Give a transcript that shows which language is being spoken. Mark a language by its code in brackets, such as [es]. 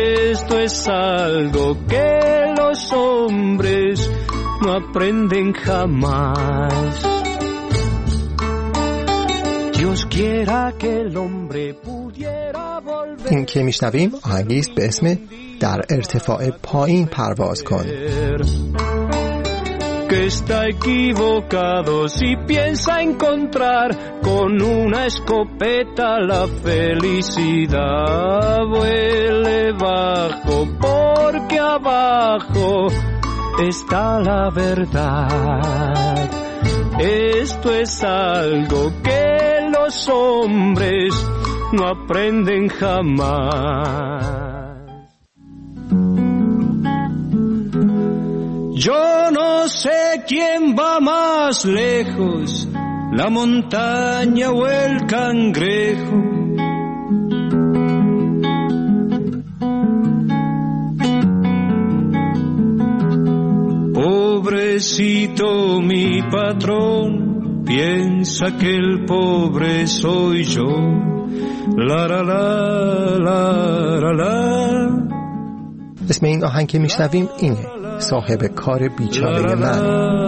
[es] Esto es algo que los hombres no aprenden jamás. Dios quiera que el hombre pudiera volver. [fa] این که میشنویم آهنگی است به اسم در ارتفاع پایین پرواز کن. [es] Que está equivocado si piensa encontrar con una escopeta la felicidad. Vuele bajo porque abajo está la verdad. Esto es algo que los hombres no aprenden jamás. Yo no sé quién va más lejos, la montaña o el cangrejo. Pobrecito mi patrón, piensa que el pobre soy yo. La la la la la la. [fa] اسم این آهنگ که میشنویم اینه، صاحب کار بیچاره من.